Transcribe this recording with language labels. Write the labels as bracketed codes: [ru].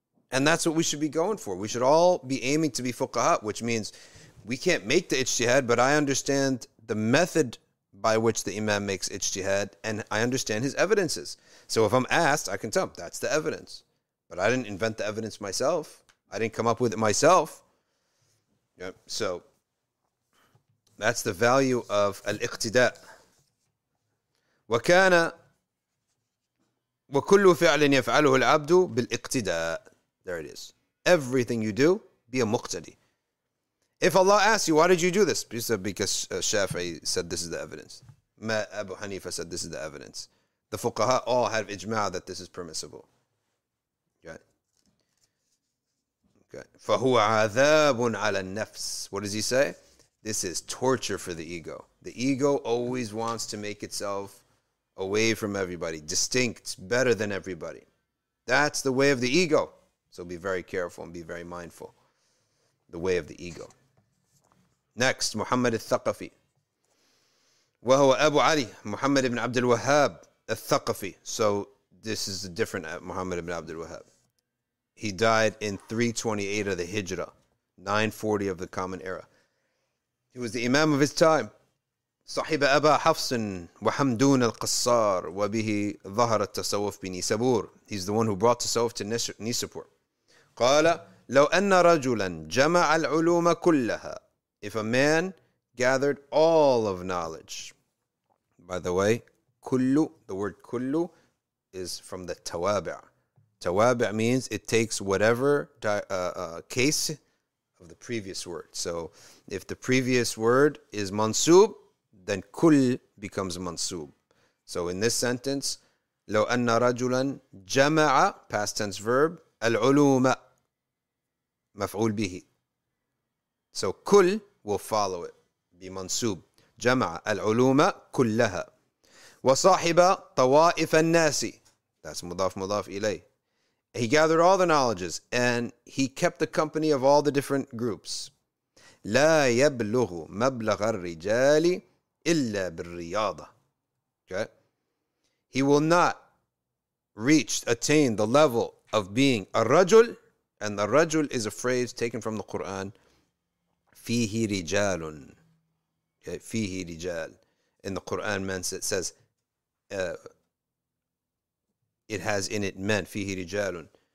[en] And that's what we should be going for. We should all be aiming to be fuqaha, which means we can't make the ijtihad, but I understand the method by which the imam makes ijtihad, and I understand his evidences. So if I'm asked, I can tell him, that's the evidence. But I didn't invent the evidence myself. I didn't come up with it myself. Yep. So That's the value of al-iqtida. [ar] وكان وكل فعل يفعله العبد بالاقتداء. [en] There it is. Everything you do, be a muqtadi. If Allah asks you, why did you do this? Because Shafi'i said this is the evidence. Ma Abu Hanifa said this is the evidence. The fuqaha all have ijma' that this is permissible. [ar] فهو عذاب على النفس. [en] What does he say? This is torture for the ego. The ego always wants to make itself away from everybody, distinct, better than everybody. That's the way of the ego. So be very careful and be very mindful. The way of the ego. Next, Muhammad al-Thaqafi. [ar] وهو أبو علي محمد بن عبد الوهاب الثقفي. [en] So this is a different Muhammad ibn Abd al-Wahhab. He died in 328 of the Hijrah, 940 of the Common Era. He was the Imam of his time. [ar] صاحب أبا حفص وحمدون القصار وبه ظهر التصوف بنيسابور. [en] He's the one who brought tasawuf to Nisapur. [ar] قال لو أن رجلا جمع العلوم كلها. [en] If a man gathered all of knowledge. By the way, كلو, the word كلو is from the توابع. توابع means it takes whatever case of the previous word. So if the previous word is mansub, then kul becomes mansub. So in this sentence, [ar] لو أن رجلا جمع, [en] past tense verb, [ar] العلوم مفعول به. [en] So kul will follow it, be mansub. [ar] جمع العلوم كلها. وصاحب طوائف الناس. That's مضاف مضاف إليه. [en] He gathered all the knowledges and he kept the company of all the different groups. [ar] لا يبلغ مبلغ الرجال إلا بالرياضة. [en] Okay. He will not reach, attain the level of being a rajul. And the rajul is a phrase taken from the Quran. [ar] فيه رجال. Okay. فيه رجال. [en] In the Quran, man says, it has in it men, [ar] فيه رجال.